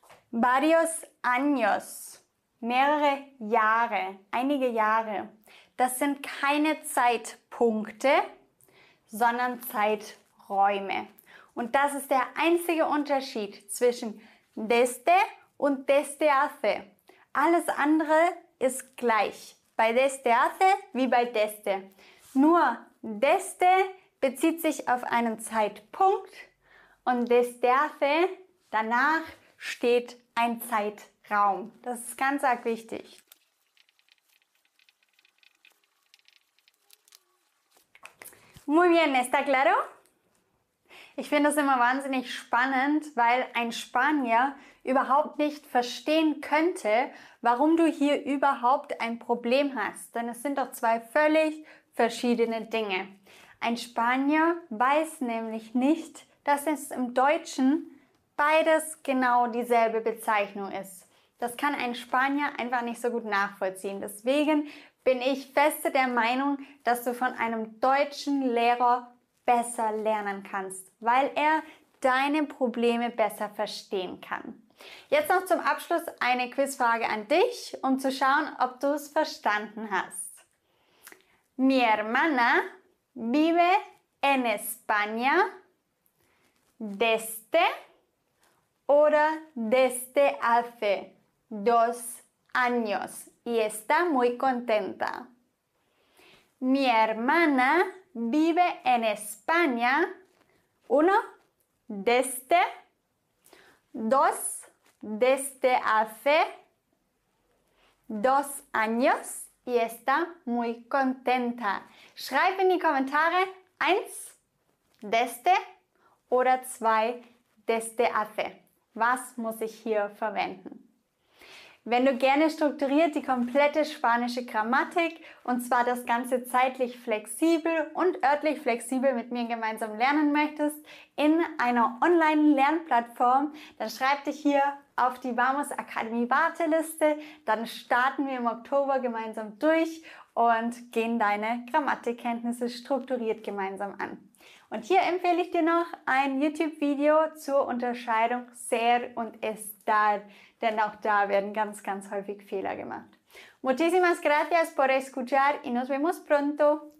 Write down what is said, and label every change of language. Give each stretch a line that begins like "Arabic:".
Spanish: Varios años,
German: mehrere Jahre, einige Jahre. Das sind keine Zeitpunkte, sondern Zeiträume. Und das ist der einzige Unterschied zwischen desde und desde hace. Alles andere ist gleich. Bei desde hace wie bei desde. Nur desde bezieht sich auf einen Zeitpunkt und desde hace danach steht ein Zeitraum. Das ist ganz arg wichtig.
Spanish: Muy bien, ¿está claro?
German: Ich finde das immer wahnsinnig spannend, weil ein Spanier überhaupt nicht verstehen könnte, warum du hier überhaupt ein Problem hast. Denn es sind doch zwei völlig verschiedene Dinge. Ein Spanier weiß nämlich nicht, dass es im Deutschen beides genau dieselbe Bezeichnung ist. Das kann ein Spanier einfach nicht so gut nachvollziehen. Deswegen bin ich feste der Meinung, dass du von einem deutschen Lehrer besser lernen kannst, weil er deine Probleme besser verstehen kann. Jetzt noch zum Abschluss eine Quizfrage an dich, um zu schauen, ob du es verstanden hast.
Spanish: Mi hermana vive en España desde oder desde hace 2 años y está muy contenta. Mi hermana vive en España, uno, desde, dos, desde hace 2 años y está muy contenta.
German: Schreib in die Kommentare, 1, desde oder 2, desde hace. Was muss ich hier verwenden? Wenn du gerne strukturiert die komplette spanische Grammatik und zwar das Ganze zeitlich flexibel und örtlich flexibel mit mir gemeinsam lernen möchtest in einer Online-Lernplattform, dann schreib dich hier auf die Vamos Academy Warteliste. Dann starten wir im Oktober gemeinsam durch und gehen deine Grammatikkenntnisse strukturiert gemeinsam an. Und hier empfehle ich dir noch ein YouTube-Video zur Unterscheidung ser und estar, denn auch da werden ganz, ganz häufig Fehler gemacht.
Spanish: Muchísimas gracias por escuchar y nos vemos pronto.